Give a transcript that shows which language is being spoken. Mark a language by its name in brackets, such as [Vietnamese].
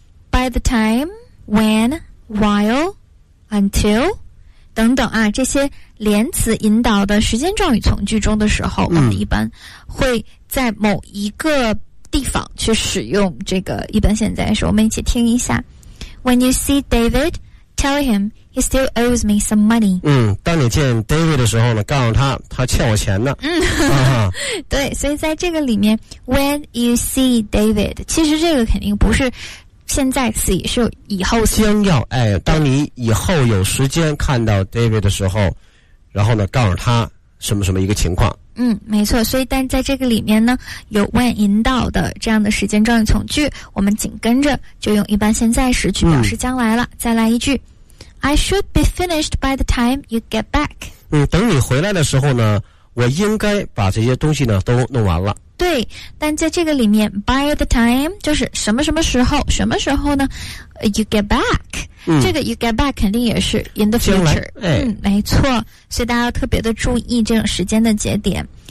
[English] ，by the time， when， while， until。 [Chinese] 等等啊，这些连词引导的时间状语从句中的时候、嗯、我们一般会在某一个地方去使用这个一般现在时。我们一起听一下。 [English] When you see David, tell him he still owes me some money。 [Chinese] 嗯，当你见 David 的时候呢，告诉他他欠我钱呢。嗯，对，所以在这个里面 [English] When you see David， [Chinese] 其实这个肯定不是现在 X 也是以后将要，哎，当你以后有时间看到 David 的时候，然后呢告诉他什么什么一个情况。嗯，没错。所以但在这个里面呢有 when 引导的这样的时间状语从句，我们紧跟着就用一般现在时去表示将来了。再来一句， [English] I should be finished by the time you get back。 [Chinese] 嗯，等你回来的时候呢我应该把这些东西呢都弄完了。对，但在这个里面 by the time 就是什么什么时候，什么时候呢 [English] you get back、嗯、这个 you get back [Chinese] 肯定也是 [English] in the future、哎、 [Chinese] 嗯，没错，所以大家要特别的注意这种时间的节点。